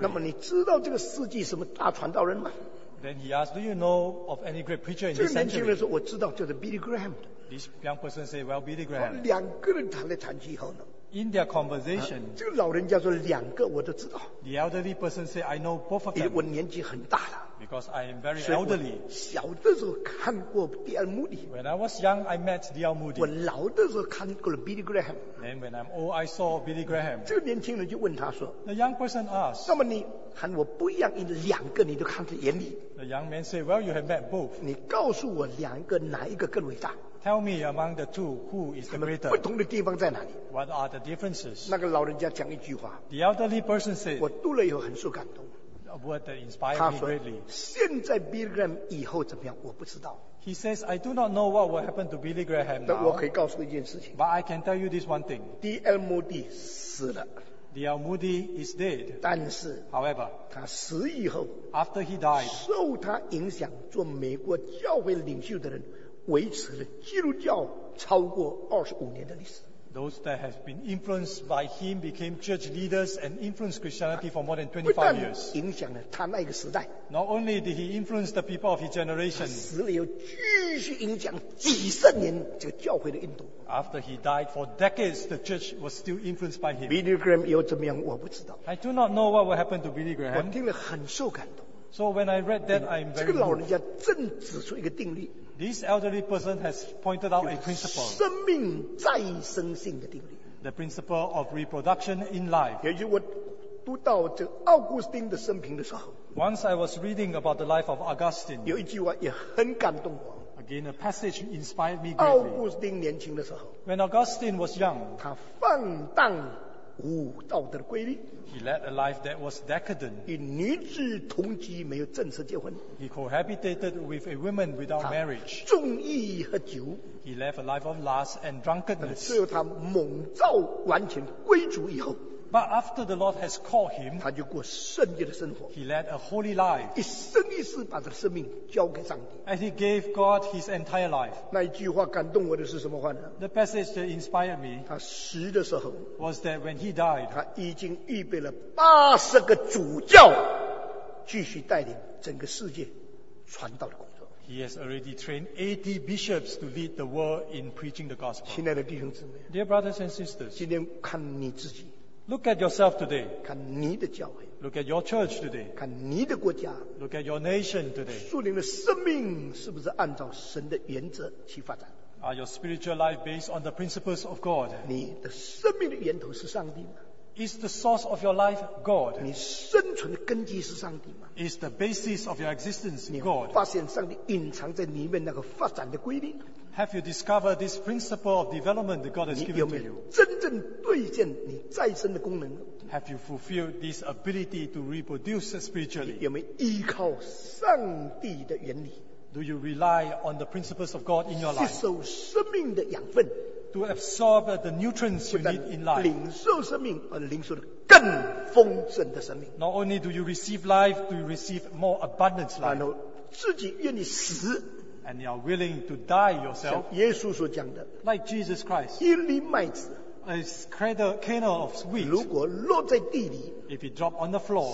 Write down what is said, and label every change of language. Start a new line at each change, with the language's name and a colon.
Chinese: 那么你知道这个世纪什么大传道人吗？
English: Then he asked, "Do you know of any great preacher in this century?"
Chinese: 这个年轻人说我知道，叫做 Billy Graham。
English: This young person said, "Well, Billy Graham."
Chinese: 两个人谈来谈去以后呢？
English: In their conversation,、
Chinese: 这个老人家说两个我都知道。
English: The elderly person said, "I know both of them."
Chinese: 我年纪很大了。
English: Because I am very elderly.
Chinese: 小的时候看过 D.L. Moody.
English: When I was young, I met D.L. Moody.
Chinese: 我老的时候看过了 Billy Graham.
English: Then when I'm old, I saw Billy Graham.
Chinese: 这个年轻人就问他说
English: ，The young person asked.
Chinese: 那么你和我不一样，因为两个你都看在眼里。
English: The young man said, "Well, you have met both."
Chinese: 你告诉我两个哪一个更伟大
English: ？Tell me among the two, who is the greater?
Chinese: 不同的地方在哪里
English: ？What are the differences?
Chinese: 那个老人家讲一句话
English: ，The elderly person said.
Chinese: 我读了以后很受感动。
English: Word that inspired me greatly.
Chinese: 现在 Billy Graham 以后怎么样？我不知道。
English: He says, "I do not know what will happen to Billy Graham now."
Chinese: 但我可以告诉一件事情。
English: But I can tell you this one thing.
Chinese: D.L. Moody 死了。
English: D.L. Moody is dead.
Chinese: 但是
English: ，However，
Chinese: 他死以后
English: ，After he died，
Chinese: 受他影响做美国教会领袖的人，维持了基督教超过25年的历史。
English: Those that have been influenced by him became church leaders and influenced Christianity for more than 25 years.
Chinese: 不但影响了他那个时代。
English: Not only did he influence the people of his generation.
Chinese: 死了又继续影响几十年这个教会的运动。
English: After he died for decades, the church was still influenced by him.
Chinese: Billy Graham 又怎么样？我不知道。
English: I do not know what will happen to Billy Graham.
Chinese: 我听了很受感动。
English: So when I read that, I'm very.
Chinese: 这个老人家正指出一个定律。
English: This elderly person has pointed out a principle.
Chinese: 生命再生性的定律。
English: The principle of reproduction in life.
Chinese: 也就我读到这奥古斯丁的生平的时候。
English: Once I was reading about the life of Augustine.
Chinese: 有一句话也很感动我。
English: Again, a passage inspired me greatly.
Chinese: 奥古斯丁年轻的时候。
English: When Augustine was young.
Chinese: 他放荡无道德的规律。
English: He led a life that was decadent.
Chinese: 与女子同居，没有正式结婚。
English: He cohabited with a woman without marriage.
Chinese: 纵欲喝酒。
English: He led a life of lust and drunkenness.
Chinese: 最后他蒙召完全归主以后。
English: But after the Lord has called him,
Chinese: 他就过圣洁的生活。
English: He led a holy life.
Chinese: 一生一世把他的生命交给上帝。
English: And he gave God his entire life.
Chinese: 那一句话感动我的是什么话呢？
English: The passage that inspired me.
Chinese: 他死的时候
English: was that when he died,
Chinese: 他已经预备了80个主教，继续带领整个世界传道的工作。
English: He has already trained 80 bishops to lead the world in preaching the gospel.
Chinese: 亲爱的弟兄姊妹，
English: Dear brothers and sisters,
Chinese: 今天看你自己。
English: Look at yourself today.
Chinese: 看你的教会。
English: Look at your church today.
Chinese: 看你的国家。
English: Look at your nation today.
Chinese: 属灵的生命是不是按照神的原则去发展？
English: Are your spiritual life based on the principles of God?
Chinese: 你的生命的源头是上帝吗？
English: Is the source of your life God?
Chinese: 你生存的根基是上帝吗？
English: Is the basis of your existence God?
Chinese: 你发现上帝隐藏在里面那个发展的规律？
English: Have you discovered this principle of development that God has given to you?
Chinese: 你有没有真正兑现你再生的功能？
English: Have you fulfilled this ability to reproduce spiritually?
Chinese: 你有没有依靠上帝的原理？
English: Do you rely on the principles of God in your life?
Chinese: 吸收生命的养分？
English: To absorb the nutrients you need in life?
Chinese: 领受生命，而领受的更丰盛的生命。
English: Not only do you receive life, do you receive more abundant life?
Chinese: 然后自己愿意死。
English: And you are willing to die yourself,
Chinese: 像耶稣所讲的,
English: like Jesus Christ,
Chinese: 一粒麦子,
English: a kernel of wheat,
Chinese: 如果落在地里,
English: if it drop on the floor,